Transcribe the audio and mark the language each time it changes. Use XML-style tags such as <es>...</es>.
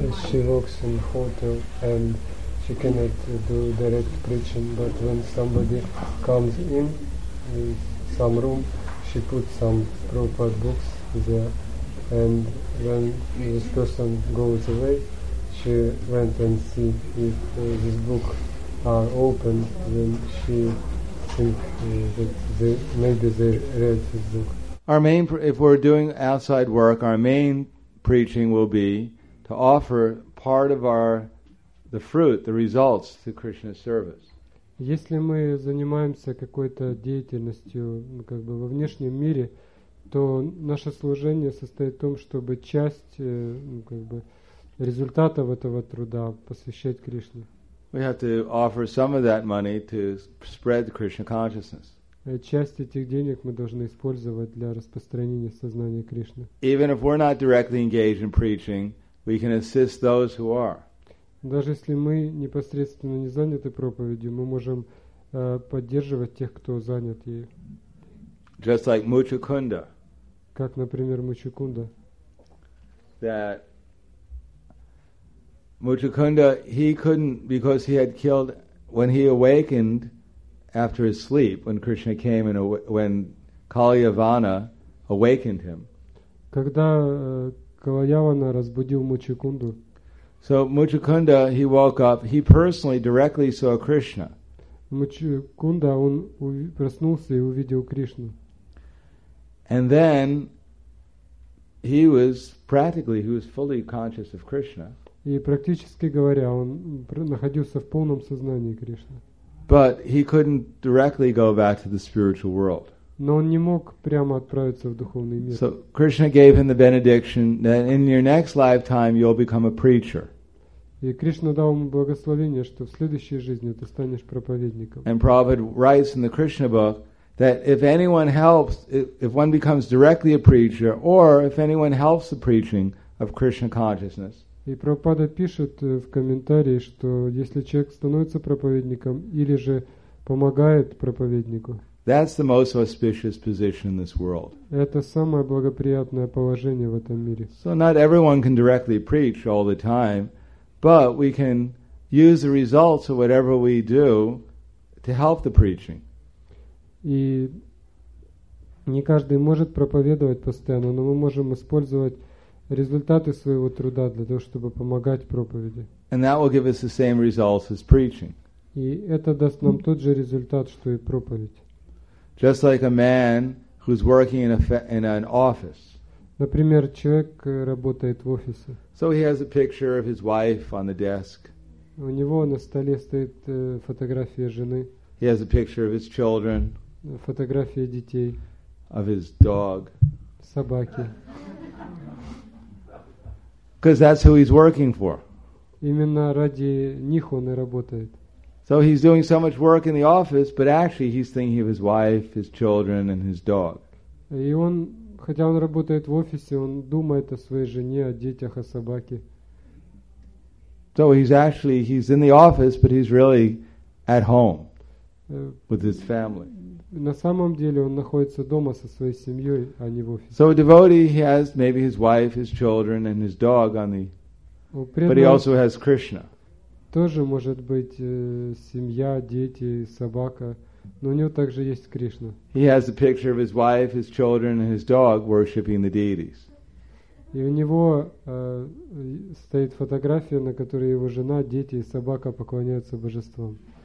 <en>She walks in the hotel and she cannot do direct preaching, but when somebody comes in some room, she puts some Prabhupada books there, and when this person goes away, she went and see if this book are open, then she think that they, maybe they read this book. Our main, if we're doing outside work, our main preaching will be to offer part of our, the fruit, the results to Krishna's service.</en> <ru>Если мы занимаемся какой-то деятельностью, как бы во внешнем мире, то наше служение состоит в том, чтобы часть, как бы результатов этого труда посвящать Кришне.</ru> <en>We have to offer some of that money to spread Krishna consciousness.</en> <ru>Часть этих денег мы должны использовать для распространения сознания Кришны.</ru> <en>Even if we're not directly engaged in preaching, we can assist those who are.</en> <ru>Даже если мы непосредственно не заняты проповедью, мы можем поддерживать тех, кто занят ею.</ru> <en>Just like Muchukunda.</en> <ru>Как, например, Мучукунда.</ru> <en>That Muchukunda, he couldn't, because he had killed, when he awakened, after his sleep, when Krishna came and when Kalyavana awakened him.</en> <ru>Когда Калаявана разбудил Мучукунду.</ru> <en>So Мучукунда, he woke up, he personally directly saw Krishna.</en> <ru>Мучукунда, он проснулся и увидел Кришну.</ru> <en>And then he was practically, he was fully conscious of Krishna.</en> <ru>И практически говоря, он находился в полном сознании Кришны.</ru> <en>But he couldn't directly go back to the spiritual world.</en> <ru>Но он не мог прямо отправиться в духовный мир.</ru> <en>So Krishna gave him the benediction that in your next lifetime you'll become a preacher.</en> <ru>И Кришна дал ему благословение, что в следующей жизни ты станешь проповедником.</ru> <en>And Prabhupada writes in the Krishna book that if anyone helps, if one becomes directly a preacher, or if anyone helps the preaching of Krishna consciousness.</en> <ru>И Прабхупада пишет в комментарии, что если человек становится проповедником или же помогает проповеднику,</ru> <en>that's the most auspicious position in this world.</en> <ru>Это самое благоприятное положение в этом мире.</ru> <en>So not everyone can directly preach all the time, but we can use the results of whatever we do to help the preaching.</en> <ru>И не каждый может проповедовать постоянно, но мы можем использовать результаты своего труда для того, чтобы помогать проповеди.</ru> <en>And that will give us the same results as preaching.</en> <ru>И это даст нам тот же результат, что и проповедь.</ru> <en>Just like a man who's working in an office.</en> <ru>Например, человек работает в офисе.</ru> <en>So he has a picture of his wife on the desk.</en> <ru>У него на столе стоит фотография жены.</ru> <en>He has a picture of his children.</en> <ru>Фотография детей.</ru> <en>Of his dog.</en> <ru>Собаки.</ru> <en>Because that's who he's working for.</en> <ru>Именно ради них он и работает.</ru> <en>So he's doing so much work in the office, but actually he's thinking of his wife, his children, and his dog.</en> <ru>И он, хотя он работает в офисе, он думает о своей жене, о детях, о собаке.</ru> <en>So he's actually, he's in the office, but he's really at home with his family.</en> <ru>На самом деле он находится дома со своей семьей, а не в офисе.</ru> <en>So a devotee, he has maybe his wife, his children, and his dog on the... But he also has Krishna.</en> <ru>Тоже может быть семья, дети, собака, но у него также есть Кришна.</ru> <en>He has a picture of his wife, his children, and his dog worshipping the deities.</en> <ru>И у него стоит фотография, на которой его жена, дети и собака поклоняются божествам.</ru>